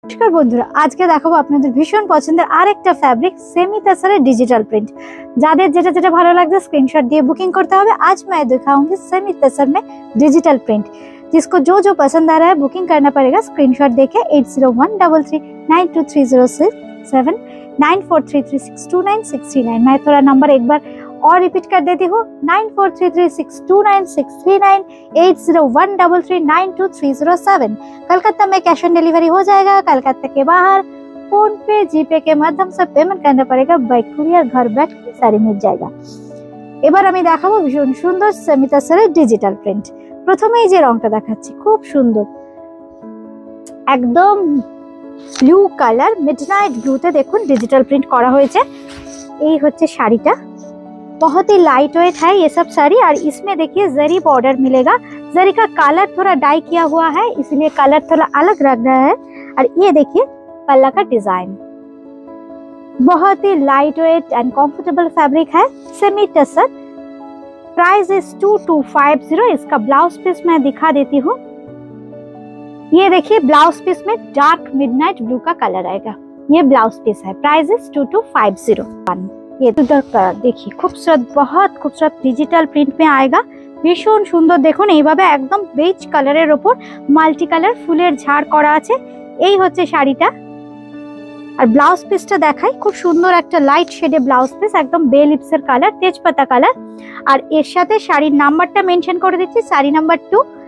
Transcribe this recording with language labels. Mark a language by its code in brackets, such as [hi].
[bn] নমস্কার বন্ধুরা, আজকে দেখাবো আপনাদের ভীষণ পছন্দের আরেকটা ফ্যাব্রিক, সেমি তাসারের ডিজিটাল প্রিন্ট। যাদের যেটা যেটা ভালো লাগছে স্ক্রিনশট দিয়ে বুকিং করতে হবে। [hi] আজ মে দিখাউঙ্গি সেমি তাসার মে ডিজিটাল প্রিন্ট, জিসকো জো জো পছন্দ আ রহা হ্যায় বুকিং করনা পড়েগা স্ক্রিনশট দেখে 8013392306794336296। মে থোড়া নম্বর একবার और रिपीट कर देती हूँ, 9433629639, 8013392307। कलकत्ता में कैश ऑन डिलीवरी हो जाएगा, कलकत्ता के बाहर फोन पे जीपे के माध्यम से पेमेंट करना पड़ेगा, बाय कुरियर घर बैठ के सारी मिल जाएगा। [bn] এবার আমি দেখাবো ভীষণ সুন্দর সেমিতা স্যারের ডিজিটাল প্রিন্ট। প্রথমে এই যে রংটা দেখাচ্ছি খুব সুন্দর, একদম ব্লু কালার, মিডনাইট ব্লুতে দেখুন ডিজিটাল প্রিন্ট করা হয়েছে। এই হচ্ছে শাড়িটা, [hi] बहुत ही लाइट वेट है ये सब साड़ी। और इसमें देखिए जरी बॉर्डर मिलेगा, जरी का कलर थोड़ा डाई किया हुआ है इसलिए कलर थोड़ा अलग लग रहा है। और ये देखिए पल्ला का डिजाइन, बहुत ही light weight and comfortable fabric है सेमी टसर। Price is 2250। इसका ब्लाउज पीस मैं दिखा देती हूँ, ये देखिए ब्लाउज पीस में डार्क मिडनाइट ब्लू का कलर आएगा, ये ब्लाउज पीस है। Price is 2250। ये देखिए खूबसूरत, बहुत खूबसूरत डिजिटल प्रिंट में आएगा, [bn] भीषण सुंदर। [hi] देखो [bn] এইভাবে একদম বেজ কালারের উপর মাল্টি কালার ফুলের ঝাড় করা আছে। এই হচ্ছে শাড়িটা, আর ব্লাউজ পিসটা দেখাই, খুব সুন্দর একটা লাইট শেডে ব্লাউজ পিস, একদম বে লিপসের কালার, তেজপাতা কালার। আর এর সাথে শাড়ির নাম্বারটা মেনশন করে দিচ্ছি, শাড়ি নাম্বার 2।